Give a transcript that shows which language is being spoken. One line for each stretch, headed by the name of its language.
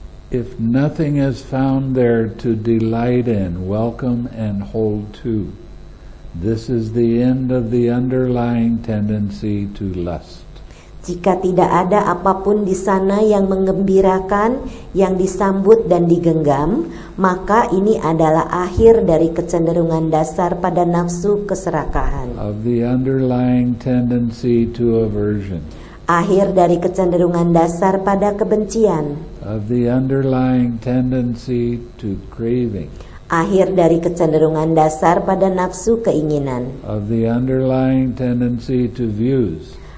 English: If nothing is found there to delight in, welcome and hold to, this is the end of the underlying tendency to lust.
Indonesian: Jika tidak ada apapun di sana yang menggembirakan, yang disambut dan digenggam, maka ini adalah akhir dari kecenderungan dasar pada nafsu keserakahan.
English: Of the underlying tendency to aversion.
Indonesian: Akhir dari kecenderungan dasar pada kebencian.
English: Of the underlying tendency to craving.
Indonesian: Akhir dari kecenderungan dasar pada nafsu keinginan.
English: Of the underlying tendency to views.